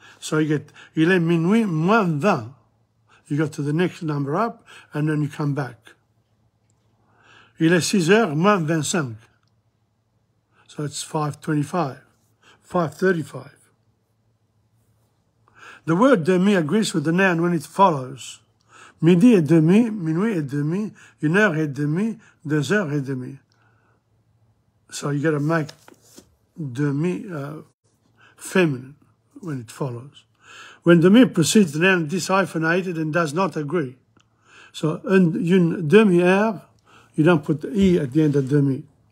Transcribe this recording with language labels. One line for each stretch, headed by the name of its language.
English: So you get,
French: il est minuit moins vingt.
English: You go to the next number up, and then you come back.
French: Il est 6h25.
English: So it's 5:35. The word demi agrees with the noun when it follows.
French: Midi et demi, minuit et demi, une heure et demi, 2h30.
English: So you got to make demi feminine when it follows. When demi precedes the noun, it is hyphenated and does not agree. So
French: une demi-heure,
English: you don't put the E at the end of demi.